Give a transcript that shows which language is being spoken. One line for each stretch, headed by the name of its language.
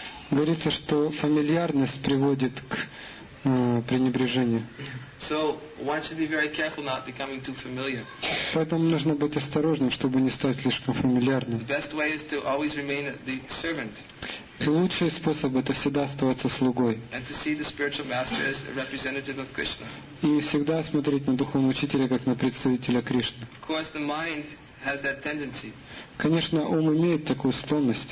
Russian: Говорится, что фамильярность приводит к пренебрежению.
English: So one should be very careful not becoming too familiar.
Russian: Поэтому нужно быть осторожным, чтобы не стать слишком фамильярным.
English: The best way is to always remain the servant.
Russian: И лучший способ это всегда оставаться слугой.
English: And to see the spiritual master as a representative of Krishna.
Russian: И всегда смотреть на духовного учителя как на представителя Кришны.
English: Of course, the mind has that tendency.
Russian: Конечно, ум имеет такую склонность.